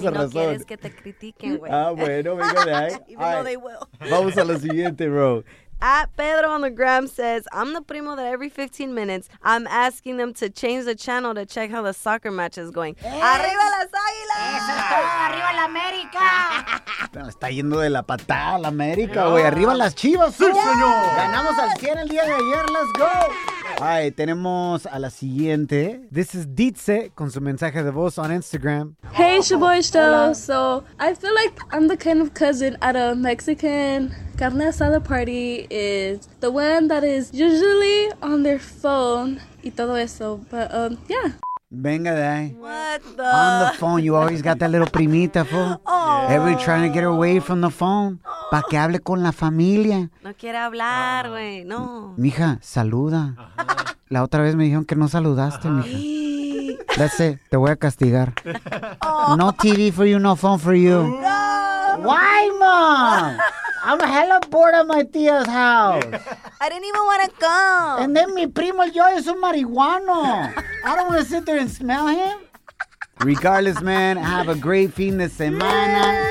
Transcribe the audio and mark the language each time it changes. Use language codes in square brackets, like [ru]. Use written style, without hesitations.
[es] si no razón. No quieres que te critiquen, güey. Ah, bueno, venga de ahí. [en] Even all though they will. [es] Vamos a lo siguiente, bro. [en] At Pedro on the gram says, I'm the primo that every 15 minutes, I'm asking them to change the channel to check how the soccer match is going. [es] ¡Arriba las águilas! ¡Eso es todo! ¡Arriba la América! Pero está yendo de la patada la América, güey. ¡Arriba las chivas! ¡Sí, [en] yeah, [es] señor! ¡Ganamos al 100 el día de ayer! [en] ¡Let's go! [es] Ay, tenemos a la siguiente. [en] This is Ditze [es] con su mensaje de voz [en] on Instagram. Hey, Shaboy Show. So, I feel like I'm the kind of cousin at a Mexican carne asada party is the one that is usually on their phone [es] y todo eso. [en] But, yeah. [es] Venga, day. [en] What the? On the phone. You always got that little primita, fool. Oh. Everybody trying to get away from the phone. [es] Pa' que hable con la familia. No quiere hablar, güey. No. Mija, saluda. Ajá. La otra vez me dijeron que no saludaste, ajá, mija. [en] That's it. [es] Te voy a castigar. Oh. [en] No TV for you, no phone for you. No. Why, mom? I'm hella bored at my tía's house. I didn't even want to come. And then [es] mi primo yo es un marihuano. [en] I don't want to sit there and smell him. Regardless, man, have a great [es] fin de semana.